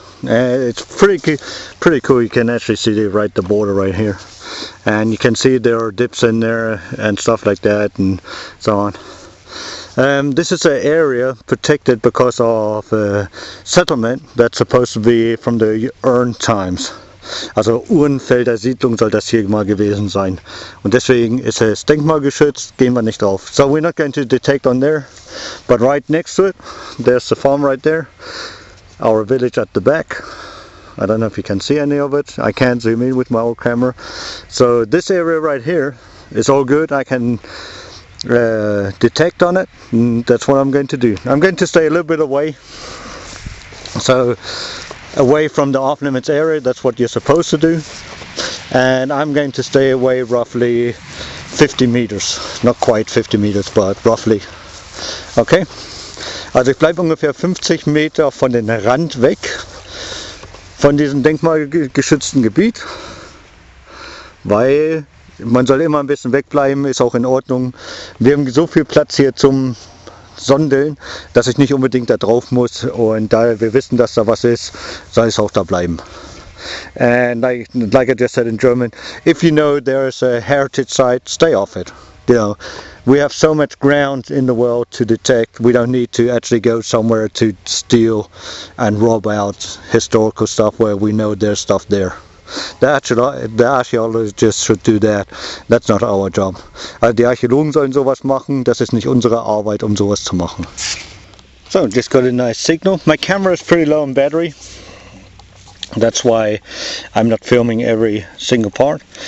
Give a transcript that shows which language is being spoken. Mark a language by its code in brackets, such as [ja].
[en] It's pretty cool. You can actually see the border right here. And you can see there are dips in there and stuff like that and so on. This is an area protected because of a settlement that's supposed to be from the urn times. [de] Also Urnfelder Siedlung soll das hier mal gewesen sein. Und deswegen ist es denkmalgeschützt, gehen wir nicht drauf. [en] So we're not going to detect on there, but right next to it, there's the farm right there. Our village at the back. I don't know if you can see any of it. I can't zoom in with my old camera. So this area right here is all good. I can detect on it. And that's what I'm going to do. I'm going to stay a little bit away. So away from the off-limits area. That's what you're supposed to do. And I'm going to stay away roughly 50 meters, not quite 50 meters, but roughly. [de] Okay, also ich bleibe ungefähr 50 Meter von dem Rand weg, von diesem denkmalgeschützten Gebiet, weil man soll immer ein bisschen wegbleiben, ist auch in Ordnung. Wir haben so viel Platz hier zum Sondeln, dass ich nicht unbedingt da drauf muss, und da wir wissen, dass da was ist, soll es auch da bleiben. [en] And like I just said in German, if you know there is a heritage site, stay off it. You know, we have so much ground in the world to detect, we don't need to actually go somewhere to steal and rob out historical stuff where we know there's stuff there. The archaeologists should do that. That's not our job. [de] Also die Archäologen sollen sowas machen, das ist nicht unsere Arbeit, um sowas zu machen. [en] So, just got a nice signal. My camera is pretty low on battery. That's why I'm not filming every single part.